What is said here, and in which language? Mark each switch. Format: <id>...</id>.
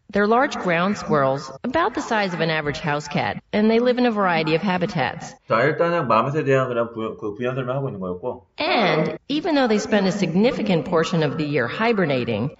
<en>They're large ground squirrels, about the size of an average house cat, and they live in a variety of habitats.</en> <ko>자, 일단은 마멧에 대한 그냥 부연 설명하고 있는 거였고.</ko> <en>And even though they spend a significant portion of the year hibernating.</en>